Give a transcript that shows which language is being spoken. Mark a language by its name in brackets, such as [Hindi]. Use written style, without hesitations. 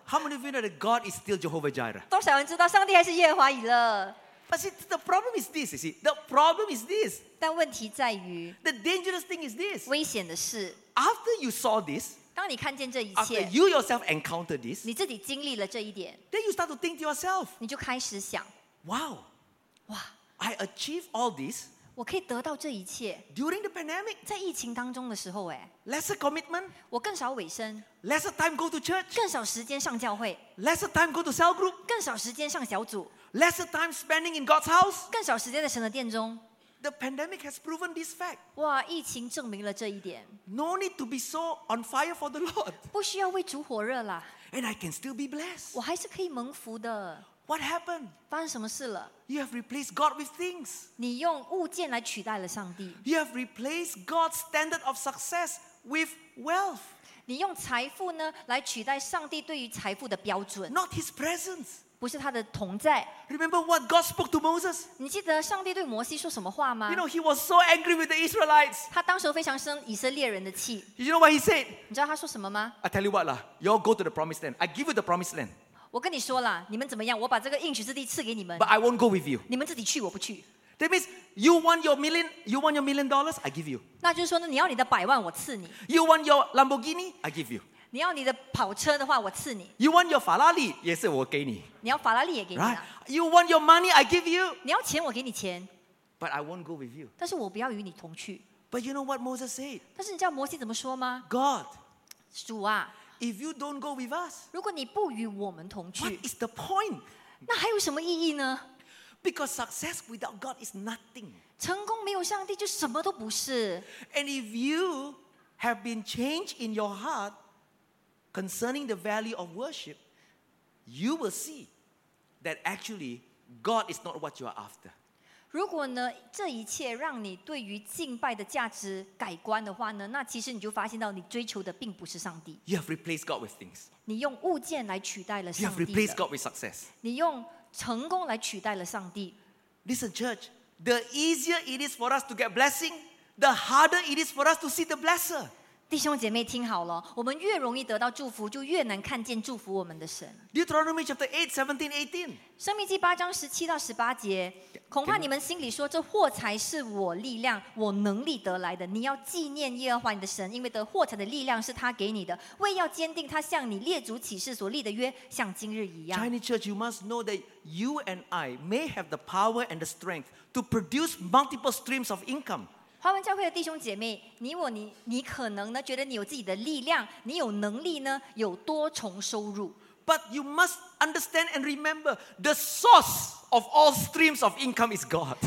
[English] How many of you know that God is still Jehovah Jireh? [Chinese] 多少人知道上帝还是耶和华以勒？ [English] But see, the problem is this. You see, the problem is this. [Chinese] 但问题在于 [English] the dangerous thing is this. [Chinese] 危险的是 [English] after you saw this, [Chinese] 当你看见这一切 [English] after you yourself encountered this, [Chinese] 你自己经历了这一点 [English] then you start to think to yourself. [Chinese] 你就开始想 [English] wow, [Chinese] 哇 [English] I achieved all this. [Chinese] 我可以得到这一切 [English] during the pandemic. [Chinese] 在疫情当中的时候 [English] lesser commitment. [Chinese] 我更少委身 [English] lesser time go to church. [Chinese] 更少时间上教会 [English] lesser time go to cell group. [Chinese] 更少时间上小组。 [English] Lesser time spending in God's house. [Chinese] 更少时间在神的殿中。 [English] The pandemic has proven this fact. [Chinese] 哇，疫情证明了这一点。 [English] No need to be so on fire for the Lord. [Chinese] 不需要为主火热啦。 [English] And I can still be blessed. [Chinese] 我还是可以蒙福的。 [English] What happened? [Chinese] 发生什么事了？ [English] You have replaced God with things. [Chinese] 你用物件来取代了上帝。 [English] You have replaced God's standard of success with wealth. [Chinese] 你用财富呢来取代上帝对于财富的标准。 [English] Not His presence. [Chinese] 不是他的同在。 [English] Remember what God spoke to Moses? [Chinese] 你记得上帝对摩西说什么话吗？ [English] You know he was so angry with the Israelites. [Chinese] 他当时非常生以色列人的气。 [English] You know what he said? [Chinese] 你知道他说什么吗？ [English] I tell you what lah, you all go to the promised land. I give you the promised land. [Chinese] 我跟你说了，你们怎么样？我把这个应许之地赐给你们。 [English] But I won't go with you. [Chinese] 你们自己去，我不去。 [English] That means you want your million, you want your million dollars, I give you. [Chinese] 那就是说呢，你要你的百万，我赐你。 [English] You want your Lamborghini, I give you. [Chinese] 你要你的跑车的话，我赐你。 [English] You want your [Chinese] 法拉利，也是我给你。你要法拉利也给你。 [English] Right? You want your money, I give you. [Chinese] 你要钱，我给你钱。 [English] But I won't go with you. [Chinese] 但是我不要与你同去。 [English] But you know what Moses said? [Chinese] 但是你知道摩西怎么说吗 [English] ？God, [Chinese] 主啊 [English] ，If you don't go with us, [Chinese] 如果你不与我们同去 [English] ，What is the point? [Chinese] 那还有什么意义呢 [English] ？Because success without God is nothing. [Chinese] 成功没有上帝就什么都不是。 [English] And if you have been changed in your heart. Concerning the value of worship, you will see that actually God is not what you are after. [Chinese] 如果呢这一切让你对于敬拜的价值改观的话呢，那其实你就发现到你追求的并不是上帝。 [English] You have replaced God with things. [Chinese] 你用物件来取代了上 [English] 帝。You have replaced God with success. [Chinese] 你用成功来取代了上帝。 [English] Listen, church, the easier it is for us to get blessing, the harder it is for us to see the blesser. [Chinese] 弟兄姐妹听好了，我们越容易得到祝福，就越难看见祝福我们的神。 [English] Deuteronomy chapter 8, 17, 18. [Chinese] 生命记八章十七到十八节，恐怕你们心里说，这货财是我力量、我能力得来的。你要纪念耶和华你的神，因为得货财的力量是他给你的，为要坚定他向你列祖起誓所立的约，像今日一样。 [English] Chinese church, you must know that you and I may have the power and the strength to produce multiple streams of income. [Chinese] 华文教会的弟兄姐妹，你我你，你可能呢觉得你有自己的力量，你有能力呢有多重收入。 [English] But you must understand and remember the source of all streams of income is God.